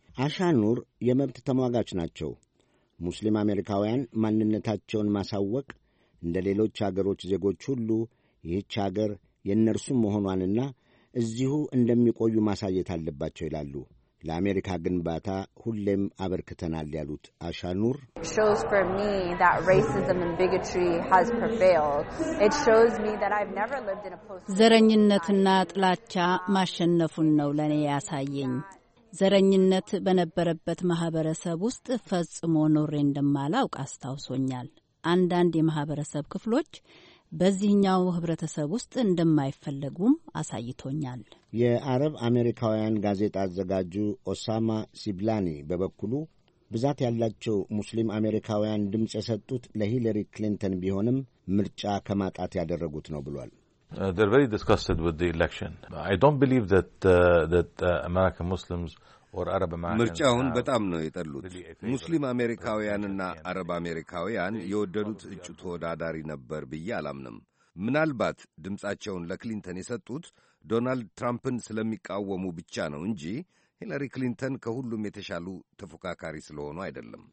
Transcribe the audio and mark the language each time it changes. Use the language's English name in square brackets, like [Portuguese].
[Amharic] አሻኑር የመብት ተሟጋች ናቸው። ሙስሊም አሜሪካውያን ማንነታቸውን ማሳወቅ እንደ ሌሎች አገሮች ዜጎች ሁሉ ይህች አገር የእነርሱም መሆኗንና እዚሁ እንደሚቆዩ ማሳየት አለባቸው ይላሉ። ለአሜሪካ ግንባታ ሁሌም አበርክተናል ያሉት አሻኑር [English] shows for me that racism and bigotry has prevailed. It shows me that I've never lived in a post [Amharic] ዘረኝነትና ጥላቻ ማሸነፉን ነው ለኔ ያሳየኝ። ዘረኝነት በነበረበት ማህበረሰብ ውስጥ ፈጽሞ ኖሬ እንደማላውቅ አስታውሶኛል። አንዳንድ የማህበረሰብ ክፍሎች በዚህኛው ህብረተሰብ ውስጥ እንደማይፈልጉም አሳይቶኛል። የአረብ አሜሪካውያን ጋዜጣ አዘጋጁ ኦሳማ ሲብላኒ በበኩሉ ብዛት ያላቸው ሙስሊም አሜሪካውያን ድምጽ የሰጡት ለሂለሪ ክሊንተን ቢሆንም ምርጫ ከማጣት ያደረጉት ነው ብሏል። [English] They're very disgusted with the election. I don't believe that American Muslims or Arab Americans [Amharic] ምርጫውን በጣም ነው የጠሉት። ሙስሊም አሜሪካውያንና አረብ አሜሪካውያን የወደዱት እጩ ተወዳዳሪ ነበር ብዬ አላምንም። ምናልባት ድምጻቸውን ለክሊንተን የሰጡት ዶናልድ ትራምፕን ስለሚቃወሙ ብቻ ነው እንጂ ሂለሪ ክሊንተን ከሁሉም የተሻሉ ተፎካካሪ ስለሆኑ አይደለም።